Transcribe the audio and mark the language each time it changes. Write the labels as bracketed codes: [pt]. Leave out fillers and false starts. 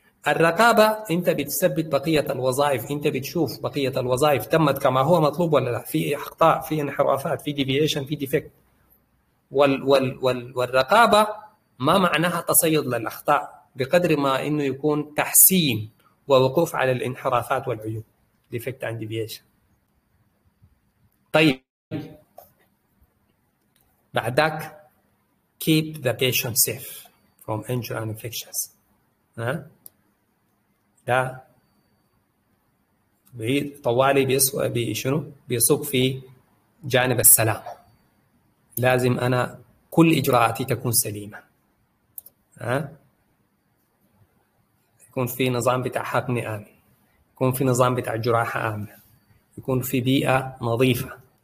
[ar] الرقابه انت بتثبت بقيه الوظائف، انت بتشوف بقيه الوظائف تمت كما هو مطلوب ولا لا، في اخطاء، في انحرافات، في ديفيشن، في ديفكت. والرقابة ما معناها تصيد للأخطاء بقدر ما إنه يكون تحسين ووقوف على الانحرافات والعيوب [en] defect and deviation. [ar] طيب بعدك [en] keep the patient safe from injury and infections. [ar] ده طوالي بيصب في جانب السلام، لازم أنا كل إجراءاتي تكون سليمة، يكون في نظام بتاع حقن آمن، يكون في نظام بتاع جراحة آمنة، يكون في بيئة نظيفة،